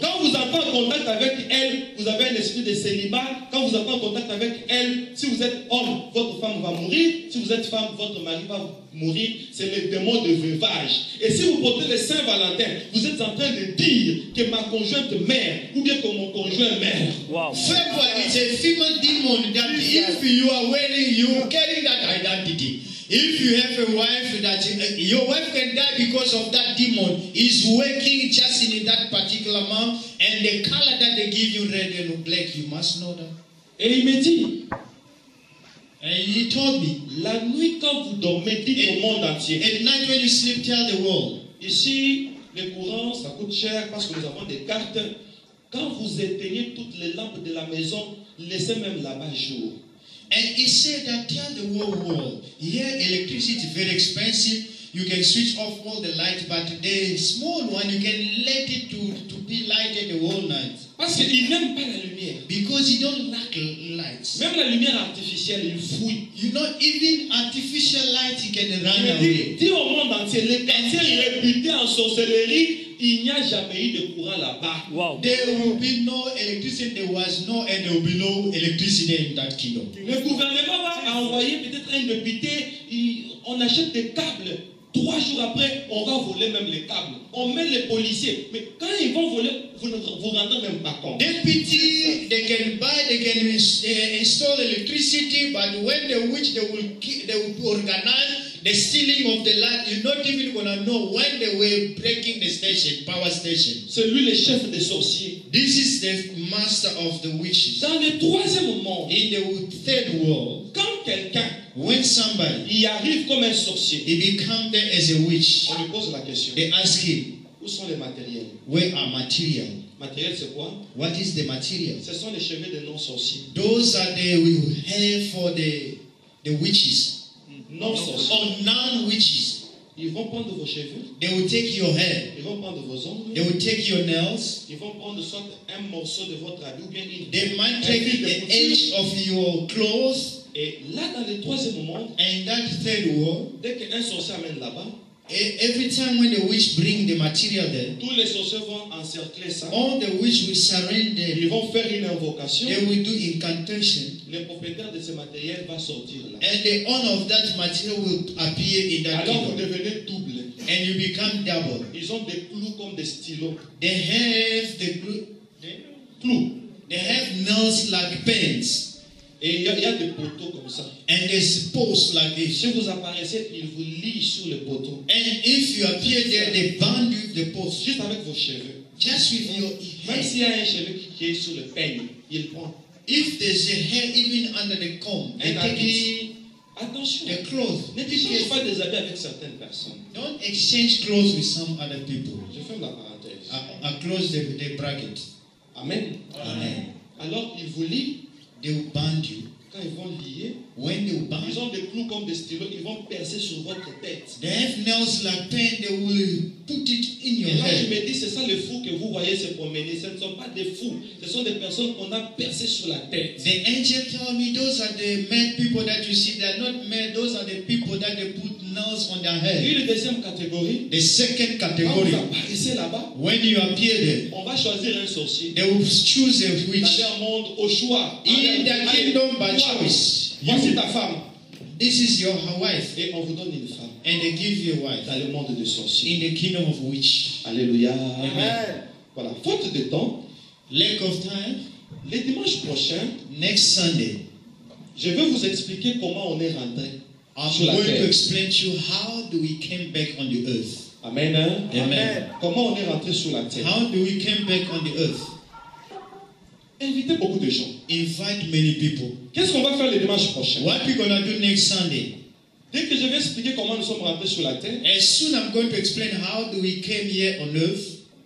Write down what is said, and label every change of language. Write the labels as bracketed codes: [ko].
[fr] Quand vous êtes en contact avec elle, vous avez un esprit de célibat. Quand vous êtes en contact avec elle, si vous êtes homme, votre femme va mourir. Si vous êtes femme, votre mari va mourir. C'est le démon de veuvage. Et si vous portez le Saint-Valentin, vous êtes en train de dire que ma conjointe mère, ou bien que mon conjoint mère. [en] Wow. February is a female demon that if you are wearing, you are carrying that identity. If you have a wife, that your wife can die because of that demon. He's working just in that particular month. And the color that they give you, red and black, you must know that. [fr] Et il me dit. [en] And he told me. [fr] La nuit quand vous dormez, dites au monde entier. [en] At night when you sleep, tell the world. [fr] Ici, le courant, ça coûte cher parce que nous avons des cartes. Quand vous éteignez toutes les lampes de la maison, laissez même là-bas jour. [en] And he said that tell the whole world, here electricity is very expensive, you can switch off all the light, but the small one, you can let it to be lighted the whole night. [fr] Parce qu'il n'aime pas la lumière. [en] Because he don't like lights. [fr] Même la lumière artificielle, il fouille. [en] You know, even artificial light, he can run away. [fr] Dis au monde entier, le quartier réputé en sorcellerie, il n'y a jamais eu de courant là-bas. [en] Wow. There will be no electricity, there was no, and there will be no electricity in that kingdom. [fr] Le gouvernement va envoyer peut-être un député, on achète des câbles. Trois jours après, on va voler même les câbles. On met les policiers. Mais quand ils vont voler, vous ne vous rendez même pas compte. [en] Deputies, they can buy, they can install electricity, but when the witch, they will organize the stealing of the land, you're not even going to know when they were breaking the station, power station. [fr] C'est lui le chef des sorciers. [en] This is the master of the witches. [fr] Dans le troisième monde, [en] in the third world, [fr] quand quelqu'un, [en] when somebody, [fr] il arrive comme un sorcier, [en] he become there as a witch, [fr] on lui pose la question, [en] they ask him, [fr] où sont les matériels? [en] Where are material? [fr] Matériel c'est quoi? [en] What is the material? [fr] Ce sont les cheveux des non-sorciers. [en] Those are the hair for the witches. [fr] Non-sorciers. [en] Or non-witches. [fr] Ils vont prendre vos cheveux. [en] They will take your hair. [fr] Ils vont prendre vos ongles. [en] They will take your nails. [fr] Ils vont prendre soit un morceau de votre habit ou bien une. [en] They might take the edge of your clothes. [fr] Et là dans le troisième monde. [en] And that third world. [fr] Dès qu'un sorcier amène là-bas. [en] Every time when the witch bring the material there, [fr] tous les sorciers vont encercler ça. [en] All the witch will surrender. [fr] Ils vont faire une invocation. [en] They will do incantation. [fr] le propriétaire de ce matériel va sortir là. [en] And the owner of that material will appear in that. [fr] Alors vous devenez double. [en] And you become double. [fr] Ils ont des clous comme des stylos. [en] They have the [fr] clous. [en] They have nails like pens. [fr] Et il y a des poteaux comme ça. [en] And there's posts like this. [fr] Si vous apparaissez, ils vous lient sur le poteau. [en] And if you appear there, they bind you the post. [fr] Juste avec vos cheveux. [en] Just with your hair. [fr] Même s'il y a un cheveu qui est sur le peigne, il prend. [en] If there's a hair even under the comb, and they take it. [fr] Attention. [en] The clothes. [fr] Ne changez pas des habits avec certaines personnes. [en] Don't exchange clothes with some other people. [fr] Je ferme la parenthèse. [en] I close the bracket. [fr] Amen. [en] Amen. [fr] Alors, ils vous lient. [en] They will bind you. [fr] Quand ils vont lier, [en] when they will bind, [fr] ils ont des clous comme des stylos, ils vont percer sur votre tête. [en] They have nails like pen, they will put it in your head. [fr] Et là, je me dis, c'est ça les fous que vous voyez se promener. Ce ne sont pas des fous, ce sont des personnes qu'on a percées sur la tête. [en] The angel tell me, those are the mad people that you see. They are not mad, those are the people that they put nails on their head. [fr] Et la deuxième catégorie, [en] the second category, [fr] quand vous apparaissez là-bas, [en] when you appear there, [fr] on va choisir un sorcier. [en] They will choose a witch. [fr] Dans leur monde, au choix. [en] In their kingdom, by choice. [fr] Voici ta femme. [en] This is your wife. [fr] Et on vous donne une femme. [en] And they give you a wife. [fr] Dans le monde de sorciers. [en] In the kingdom of witch. [fr] Alléluia. [en] Amen. [fr] Voilà. Faute de temps. [en] Lack of time. [fr] Le dimanche prochain. [en] Next Sunday. [fr] Je vais vous expliquer comment on est rentré. [en] I'm going to explain to you how do we came back on the earth. [fr] Amen. [en] Amen. Amen. [fr] Comment on est rentré sur la terre. [en] How do we came back on the earth. [fr] Invitez beaucoup de gens. [en] Invite many people. [fr] Qu'est-ce qu'on va faire le dimanche prochain? [en] What we gonna do next Sunday? [fr] Dès que je vais expliquer comment nous sommes rentrés sur la terre. [en] As soon I'm going to explain how do we came here on earth.